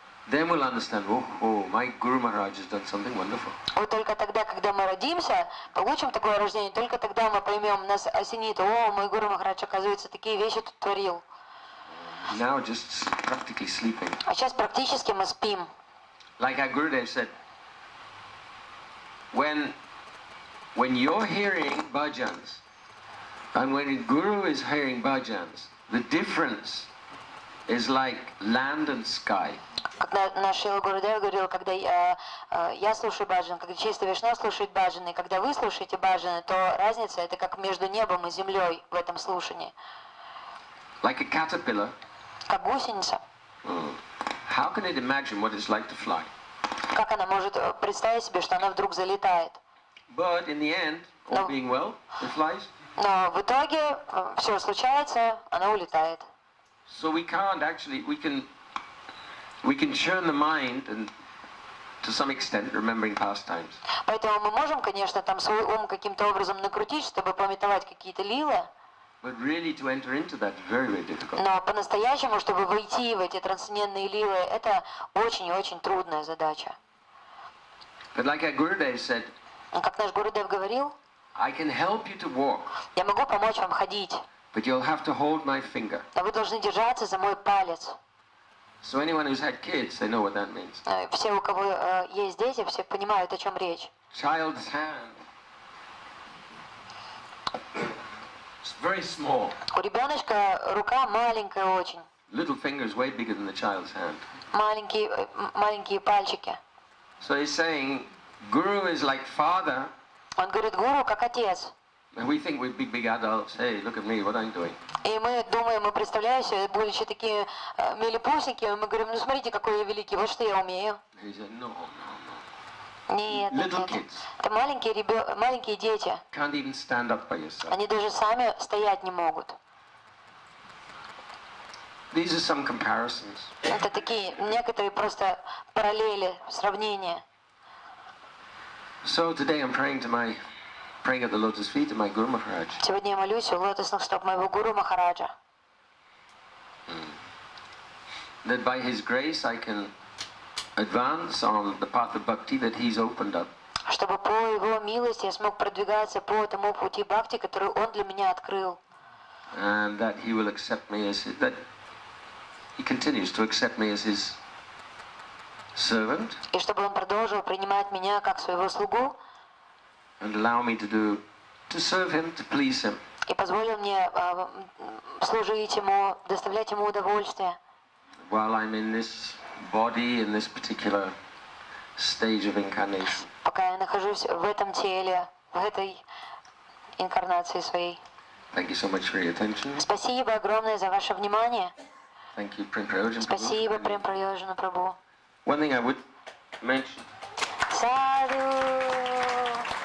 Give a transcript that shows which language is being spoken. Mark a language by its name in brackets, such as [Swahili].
[English] Then we'll understand, oh, my Guru Maharaj has done something wonderful. [Russian] Вот только тогда, когда мы родимся, получим такое рождение, только тогда мы поймем, нас осенит, о, мой Гуру Махарадж, оказывается, такие вещи тут творил. [English] Now just practically sleeping. [Russian] А сейчас практически мы спим. [English] Like our Gurudev said, when you're hearing bhajans, and when a guru is hearing bhajans, the difference is like land and sky. [Russian] Как наш Шрила Гурудев говорил, когда я слушаю баджан, когда чистая вишна слушает баджаны, когда вы слушаете баджаны, то разница это как между небом и землей в этом слушании. [English] Like a caterpillar. [Russian] Как гусеница. [English] How can it imagine what it's like to fly? [Russian] Как она может представить себе, что она вдруг залетает? [English] But in the end, all being well, it flies. [Russian] Но в итоге все случается, она улетает. [English] So we can't actually, we can churn the mind and to some extent remembering past times. [Russian] Поэтому мы можем, конечно, там свой ум каким-то образом накрутить, чтобы пометовать какие-то лилы. [English] But really to enter into that is very, very difficult. [Russian] Но по-настоящему, чтобы войти в эти трансцендентные лилы, это очень и очень трудная задача. [English] But like our Gurudev said, [Russian] как наш Гурудев говорил, [English] I can help you to walk. [Russian] Я могу помочь вам ходить. [English] But you'll have to hold my finger. [Russian] Но вы должны держаться за мой палец. [English] So anyone who's had kids, they know what that means. [Russian] Все, у кого есть дети, все понимают, о чем речь. [English] Child's hand. Very small. [Russian] У ребеночка рука маленькая очень. [English] Little fingers way bigger than the child's hand. [Russian] Маленькие пальчики. [English] So he's saying, Guru is like father. [Russian] Он говорит, Гуру как отец. [English] And we think we're big adults. Hey, look at me, what I'm doing. [Russian] И мы думаем, мы представляем себе, будучи такие милипусики, мы говорим, ну смотрите, какой я великий, вот что я умею. [English] He said, no, no, no. [Russian] Нет, [English] little [Russian] нет. [English] Kids. [Russian] Это маленькие дети. [English] Can't even stand up by yourself. [Russian] Они даже сами стоять не могут. [English] These are some comparisons. [Russian] Это такие некоторые просто параллели, сравнения. [English] So today I'm praying at the lotus feet of my Guru Maharaj. [Russian] Сегодня я молюсь у лотосных стоп моего Гуру Махараджа. [English] That by His grace I can advance on the path of bhakti that He's opened up. [Russian] Чтобы по Его милости я смог продвигаться по тому пути бхакти, который Он для меня открыл. [English] And that He will accept me as his, that He continues to accept me as His servant. [Russian] И чтобы Он продолжил принимать меня как своего слугу. [English] And allow me to serve Him, to please Him. [Russian] И позволил мне служить Ему, доставлять Ему удовольствие. [English] While I'm in this body, in this particular stage of incarnation. [Russian] Пока я нахожусь в этом теле, в этой инкарнации своей. [English] Thank you so much for your attention. [Russian] Спасибо огромное за ваше внимание. [English] Thank you, Prem Prayojana Prabhu. [Russian] Спасибо, Прем Прайожина Прабу. [English] One thing I would mention. Sadhu.